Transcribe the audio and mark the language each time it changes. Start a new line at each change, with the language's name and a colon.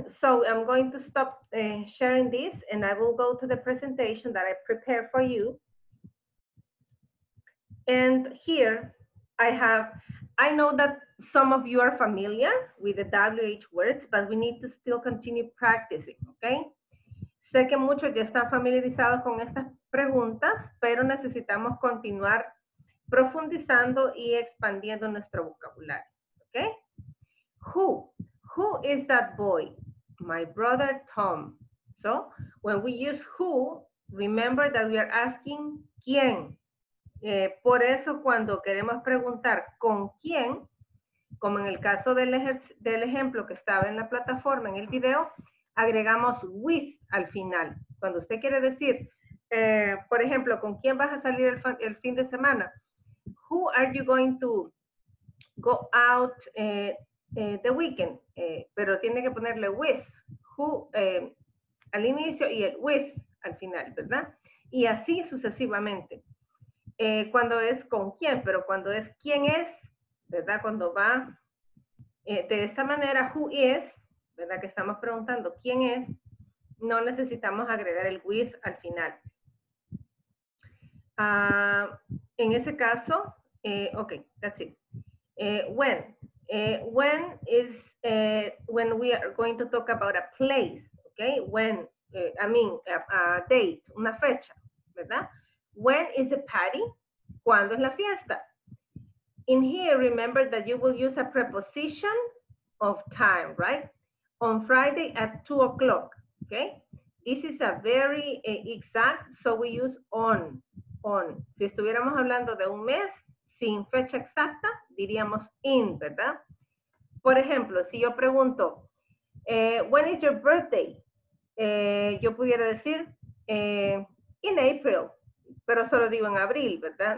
English: So I'm going to stop sharing this and I will go to the presentation that I prepared for you. And here I have, I know that some of you are familiar with the WH words, but we need to still continue practicing, okay?
Spanish: Sé que muchos ya están familiarizados con estas preguntas, pero necesitamos continuar profundizando y expandiendo nuestro vocabulario, okay?
English: Who is that boy? My brother Tom. So, when we use who, remember that we are asking quién.
Spanish: Por eso cuando queremos preguntar con quién, como en el caso del ejemplo que estaba en la plataforma, en el video, agregamos with al final. Cuando usted quiere decir, por ejemplo, ¿con quién vas a salir el fin de semana?
English: Who are you going to go out the weekend?
Spanish: Pero tiene que ponerle with, who al inicio y el with al final, ¿verdad? Y así sucesivamente. Cuando es con quién, pero cuando es quién es, ¿verdad? Cuando va de esta manera, who is, ¿verdad? Que estamos preguntando quién es, no necesitamos agregar el with al final. En ese caso,
English: ok, that's it. When. When is when we are going to talk about a place, ok? When, a date,
Spanish: una fecha, ¿verdad?
English: When is the party?
Spanish: ¿Cuándo es la fiesta?
English: In here, remember that you will use a preposition of time, right? On Friday at 2 o'clock, okay? This is a very exact, so we use on.
Spanish: Si estuviéramos hablando de un mes sin fecha exacta, diríamos in, ¿verdad? Por ejemplo, si yo pregunto,
English: when is your birthday?
Spanish: Yo pudiera decir, in April. Pero solo digo en abril, ¿verdad?